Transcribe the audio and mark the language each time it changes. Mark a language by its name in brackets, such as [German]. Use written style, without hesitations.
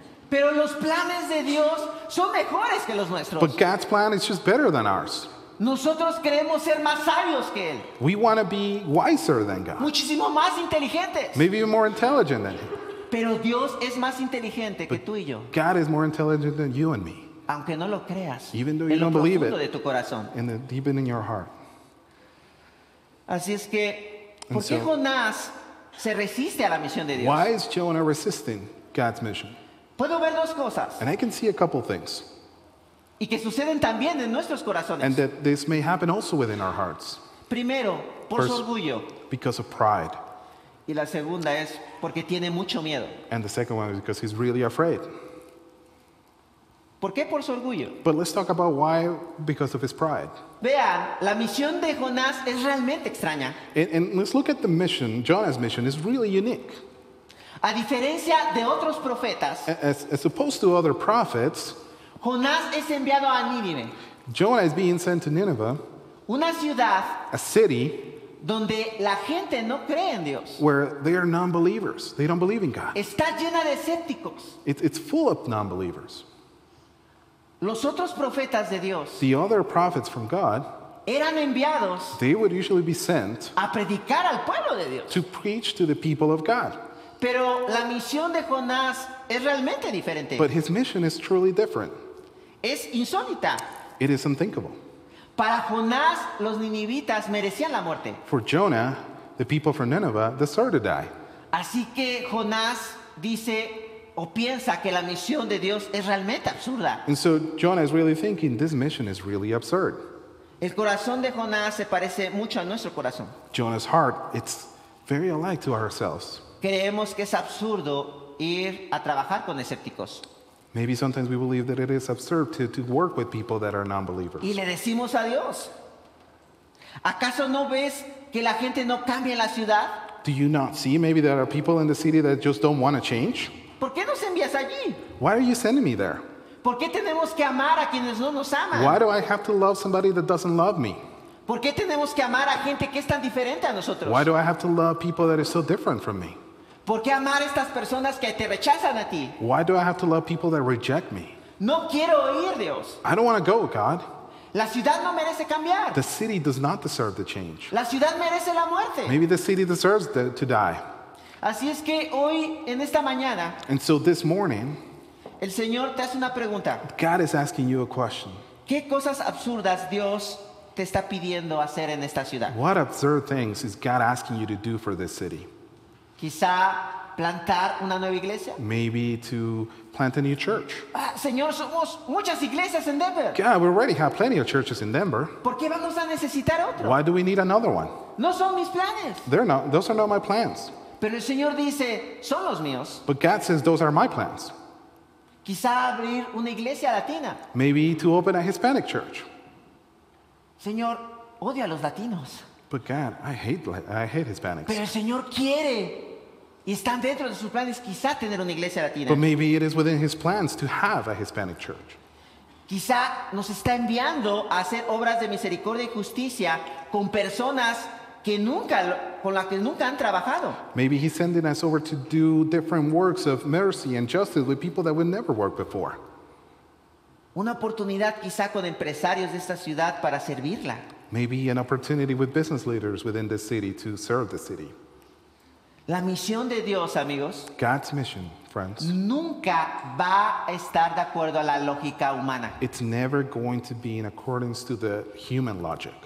[Spanish] Pero los planes de Dios son mejores que los nuestros. [English] But God's plan is just better than ours. [Spanish] Nosotros queremos ser más sabios que Él. [English] We want to be wiser than God. [Spanish] Muchísimo más inteligentes. [English] Maybe even more intelligent than Him. [Spanish] Pero Dios es más inteligente que tú y yo. [English] God is more intelligent than you and me. [Spanish] Aunque no lo creas. [English] Even though you don't believe it. [Spanish] En lo profundo de tu corazón. [English] Deep in your heart. [Spanish] Así es que, ¿por qué Jonás se resiste a la misión de Dios? [English] Why is Jonah resisting God's mission? [Spanish] Puedo ver dos cosas. [English] And I can see a couple things. [Spanish] Y que suceden también en nuestros corazones. [English] And that this may happen also within our hearts. [Spanish] Primero, por [English] first, [Spanish] su orgullo. [English] Because of pride. [Spanish] Y la segunda es porque tiene mucho miedo. [English] And the second one is because he's really afraid. [Spanish] ¿Por qué por su orgullo? [English] But let's talk about why because of his pride. [Spanish] Vean, la misión de Jonás es realmente extraña. [English] And let's look at the mission. Jonah's mission is really unique. [Spanish] A diferencia de otros profetas, [English] as opposed to other prophets, [Spanish] Jonás es enviado a Nínive. [English] Jonah is being sent to Nineveh, [Spanish] Una ciudad, [English] a city, [Spanish] donde la gente no cree en Dios. [English] Where they are non-believers. They don't believe in God. [Spanish] Está llena de escépticos. [English] It's full of non-believers. [Spanish] Los otros profetas de Dios, [English] the other prophets from God, [Spanish] eran enviados, [English] they would usually be sent, [Spanish] a predicar al pueblo de Dios, [English] to preach to the people of God. [Spanish] Pero la misión de Jonás es realmente diferente. [English] But his mission is truly different. [Spanish] Es insólita. [English] It is unthinkable. [Spanish] Para Jonás, los ninivitas merecían la muerte. [English] For Jonah, the people from Nineveh deserved to die. [Spanish] Así que Jonás dice o piensa que la misión de Dios es realmente absurda. [English] And so Jonah is really thinking this mission is really absurd. [Spanish] El corazón de Jonás se parece mucho a nuestro corazón. [English] Jonah's heart, it's very alike to ourselves. [Spanish] Creemos que es absurdo ir a trabajar con escépticos. [English] Maybe sometimes we believe that it is absurd to work with people that are non-believers. [Spanish] Y le decimos a Dios, ¿acaso no ves que la gente no cambia en la ciudad? [English] Do you not see maybe there are people in the city that just don't want to change? [Spanish] ¿Por qué nos envías allí? [English] Why are you sending me there? [Spanish] ¿Por qué tenemos que amar a quienes no nos aman? [English] Why do I have to love somebody that doesn't love me? [Spanish] ¿Por qué tenemos que amar a gente que es tan diferente a nosotros? [English] Why do I have to love people that are so different from me? [Spanish] ¿Por qué amar a estas personas que te rechazan a ti? [English] Why do I have to love people that reject me? [Spanish] No quiero oír Dios. [English] I don't want to go with God. [Spanish] La ciudad no merece cambiar. [English] The city does not deserve to change. [Spanish] La ciudad merece la muerte. [English] Maybe the city deserves to die. [Spanish] Así es que hoy, en esta mañana, [English] and so this morning, [Spanish] el Señor te hace una pregunta. [English] God is asking you a question. [Spanish] ¿Qué cosas absurdas Dios te está pidiendo hacer en esta ciudad? [English] What absurd things is God asking you to do for this city? [Spanish] Quizá plantar una nueva iglesia. [English] Maybe to plant a new church. [Spanish] Ah, Señor, somos muchas iglesias en Denver. [English] God, we already have plenty of churches in Denver. [Spanish] ¿Por qué vamos a necesitar otro? [English] Why do we need another one? [Spanish] No son mis planes. [English] They're not. Those are not my plans. [Spanish] Pero el Señor dice, son los míos. [English] But God says, those are my plans. [Spanish] Quizá abrir una iglesia latina. [English] Maybe to open a Hispanic church. [Spanish] Señor, odio a los latinos. [English] But God, I hate Hispanics. [Spanish] Pero el Señor quiere y están dentro de sus planes quizá tener una iglesia latina. [English] But maybe it is within his plans to have a Hispanic church. [Spanish] Quizá nos está enviando a hacer obras de misericordia y justicia con personas que nunca, con las que nunca han trabajado. [English] Maybe he's sending us over to do different works of mercy and justice with people that we've never worked before. [Spanish] Una oportunidad quizá con empresarios de esta ciudad para servirla. [English] Maybe an opportunity with business leaders within the city to serve the city. [Spanish] La misión de Dios, amigos, [English] God's mission, friends, [Spanish] nunca va a estar de acuerdo a la lógica humana. [English] It's never going to be in accordance to the human logic.